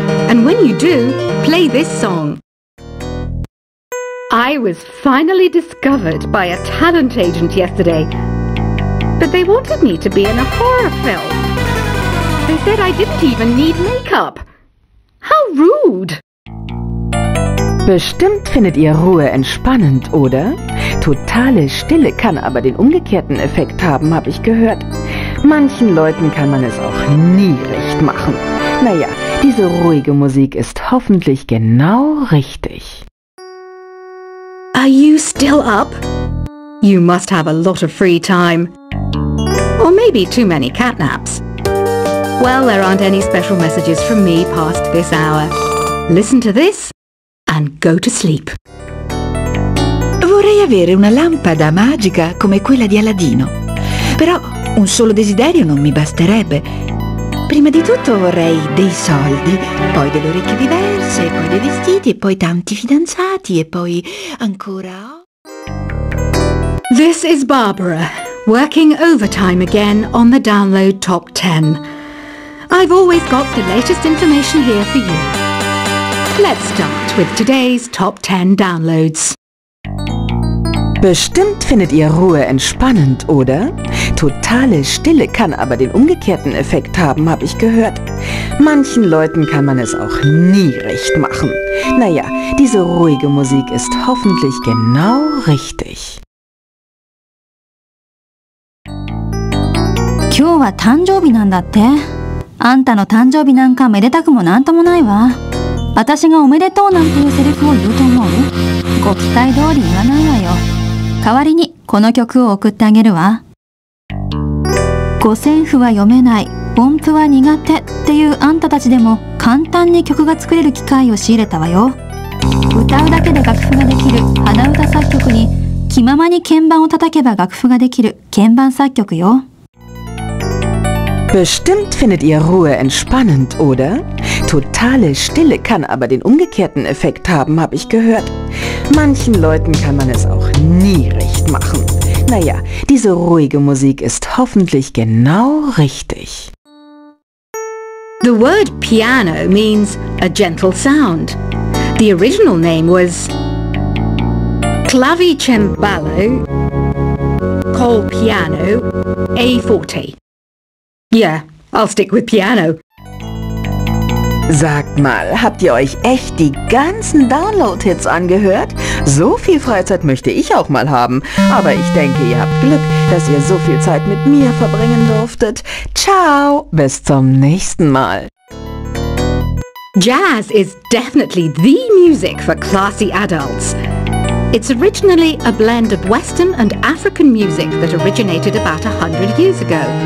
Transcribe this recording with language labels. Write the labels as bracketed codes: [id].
[en] And when you do, play this song. I was finally discovered by a talent agent yesterday. But they wanted me to be in a horror film. They said I didn't even need makeup. How rude! [de] Bestimmt findet ihr Ruhe entspannend, oder? Totale Stille kann aber den umgekehrten Effekt haben, habe ich gehört. Manchen Leuten kann man es auch nie recht machen. Naja, diese ruhige Musik ist hoffentlich genau richtig. [en] Are you still up? You must have a lot of free time. Or maybe too many catnaps. Well, there aren't any special messages from me past this hour. Listen to this and go to sleep. [it] Vorrei avere una lampada magica come quella di Aladino. Però un solo desiderio non mi basterebbe. Prima di tutto vorrei dei soldi, poi delle orecchie diverse, poi dei vestiti e poi tanti fidanzati e poi ancora... [en] This is Barbara, working overtime again on the Download Top 10. I've always got the latest information here for you. Let's start with today's Top 10 Downloads. [de] Bestimmt findet ihr Ruhe entspannend, oder? Totale Stille kann aber den umgekehrten Effekt haben, habe ich gehört. Manchen Leuten kann man es auch nie recht machen. Naja, diese ruhige Musik ist hoffentlich genau richtig. [ja] 今日は誕生日なんだって。あんたの誕生日なんかめでたくもなんともないわ。私がおめでとうなんていうセリフを言うと思う？ご期待通り言わないわよ。代わりにこの曲を送ってあげるわ。五線譜は読めない、音符は苦手っていうあんたたちでも簡単に曲が作れる機会を仕入れたわよ。歌うだけで楽譜ができる鼻歌作曲に、気ままに鍵盤を叩けば楽譜ができる鍵盤作曲よ。 [de] Bestimmt findet ihr Ruhe entspannend, oder? Totale Stille kann aber den umgekehrten Effekt haben, habe ich gehört. Manchen Leuten kann man es auch nie recht machen. Naja, diese ruhige Musik ist hoffentlich genau richtig. [en] The word piano means a gentle sound. The original name was Clavicembalo col piano A forte. Yeah, I'll stick with piano. [de] Sagt mal, habt ihr euch echt die ganzen Download-Hits angehört? So viel Freizeit möchte ich auch mal haben. Aber ich denke, ihr habt Glück, dass ihr so viel Zeit mit mir verbringen durftet. Ciao, bis zum nächsten Mal. [en] Jazz is definitely the music for classy adults. It's originally a blend of Western and African music that originated about 100 years ago.